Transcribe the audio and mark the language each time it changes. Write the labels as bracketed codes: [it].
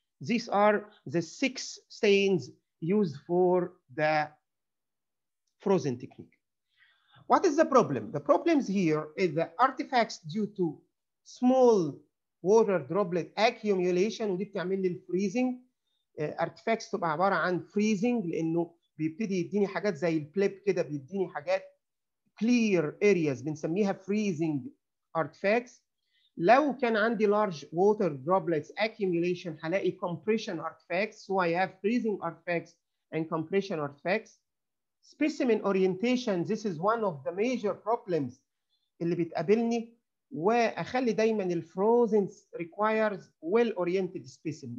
[en] These are the 6 stains used for the frozen technique. What is the problem? The problems here is the artifacts due to small water droplet accumulation [ar] ودي بتعمل لي الفريزنج. Artifacts تبقى عبارة عن freezing لأنه بيبتدي يديني حاجات زي البليب كده بيديني حاجات [en] clear areas [ar] بنسميها [en] freezing artifacts. [ar] لو كان عندي [en] large water droplets accumulation هلاقي compression artifacts. So I have freezing artifacts and compression artifacts. Specimen orientation, this is one of the major problems [ar] اللي بتقابلني وأخلي دايماً الفروزن [en] requires well-oriented specimen.